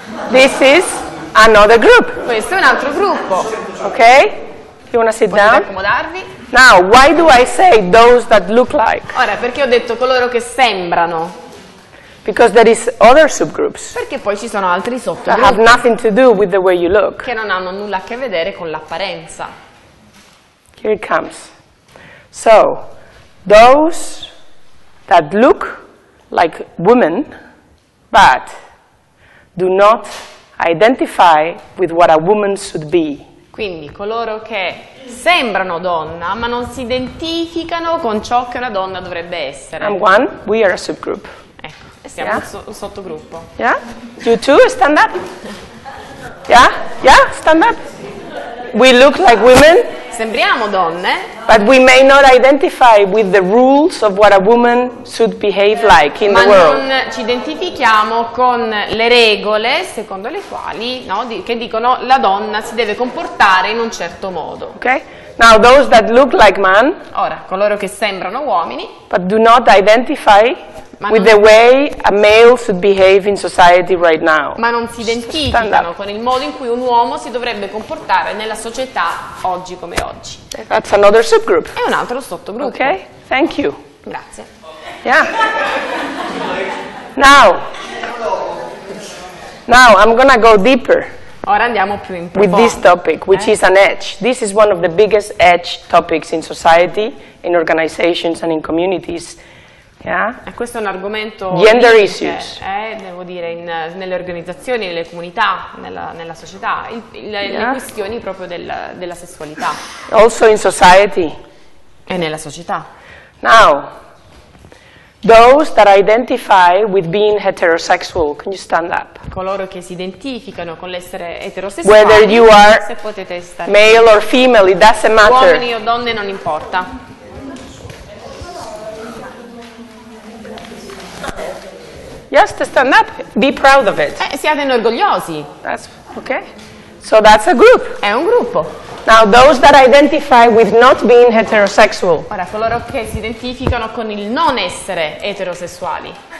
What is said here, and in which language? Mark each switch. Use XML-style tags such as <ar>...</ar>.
<en>This is another group.</en> <it>Questo è un altro gruppo.</it> <en>Okay. You want to sit</en> <it>potete</it> <en>down?</en> <it>Accomodarvi.</it> <en>Now, why do I say those that look like?</en> <it>Ora, perché ho detto coloro che sembrano?</it> <en>Because there is other subgroups.</en> <it>Perché poi ci sono altri sottogruppi.</it> <en>That have nothing to do with the way you look.</en> <it>Che non hanno nulla a che vedere con l'apparenza.</it> <en>Here it comes. So, those that look like women, but do not identify with what a woman should be.</en> <it>Quindi coloro che sembrano donna ma non si identificano con ciò che una donna dovrebbe essere.</it> <en>I'm one, we are a subgroup.</en> <it>Ecco, siamo un sottogruppo.</it> <en>Yeah? You too, stand up? Yeah? Yeah, stand up? We look like women.</en> <it>Sembriamo donne.</it> <en>But we may not identify with the rules of what a woman should behave like in the world.</en> <it>Ma non ci identifichiamo con le regole secondo le quali, no, che dicono la donna si deve comportare in un certo modo.</it> <en>Okay? Now those that look like men.</en> <it>Ora, coloro che sembrano uomini.</it> <en>But do not identify with the way a male should behave in society right now.</en> <it>Ma non si identificano con il modo in cui un uomo si dovrebbe comportare nella società oggi come oggi.</it> <en>That's another subgroup.</en> <it>È un altro sottogruppo.</it> <en>Okay, thank you.</en> <it>Grazie.</it> <en>Yeah. Now. Now I'm gonna go deeper.</en> <it>Ora andiamo più in profondo.</it> <en>With this topic, which is an edge. This is one of the biggest edge topics in society, in organizations and in communities. Yeah.</en> <it>E questo è un argomento</it> <en>gender issues.</en> <it>Devo dire nelle organizzazioni, nelle comunità, nella società, le questioni proprio della sessualità.</it> <en>Also in society.</en> <it>E nella società.</it> <en>Now, those that identify with being heterosexual, can you stand up?</en> <it>Coloro che si identificano con l'essere eterosessuale.</it> <en>Whether you are,</en> <it>se potete stare,</it> <en>male or female, it doesn't matter.</en> <it>Uomini o donne non importa.</it> <en>Yes, to stand up. Be proud of it.</en> <it>Siate orgogliosi.</it> <en>That's okay. So that's a group.</en> <it>È un gruppo.</it> <en>Now those that identify with not being heterosexual.</en> <it>Ora coloro che si identificano con il non essere eterosessuali.</it>